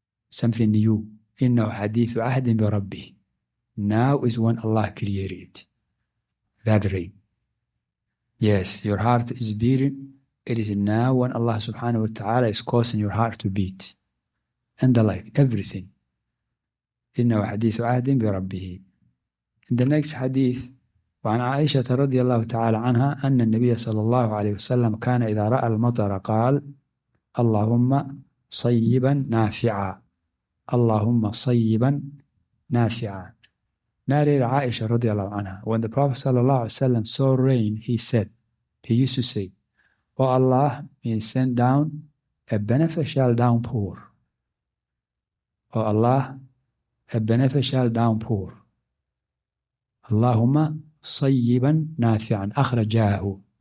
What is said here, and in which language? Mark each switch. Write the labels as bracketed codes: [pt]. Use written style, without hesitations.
[en] Something new. [ar] إِنَّهُ حَدِيثُ عَهْدٍ بِرَبِّهِ. [en] Now is when Allah created it. That rain. Yes, your heart is beating. It is now when Allah subhanahu wa ta'ala is causing your heart to beat. And the like, everything. [ar] إِنَّهُ حَدِيثُ عَهْدٍ بِرَبِّهِ. [en] In the next hadith, [ar] وعن عائشة رضي الله تعالى عنها أن النبي صلى الله عليه وسلم كان إذا رأى المطر قال: اللهم صيبا نافعا. اللهم صيبا نافعا. نارل عائشة رضي الله عنها. [en] When the Prophet صلى الله عليه وسلم saw rain, he said, he used to say, oh Allah, means send down a beneficial downpour. Oh Allah, a beneficial downpour. [ar] اللهم صيبا نافعا. أخرجاه.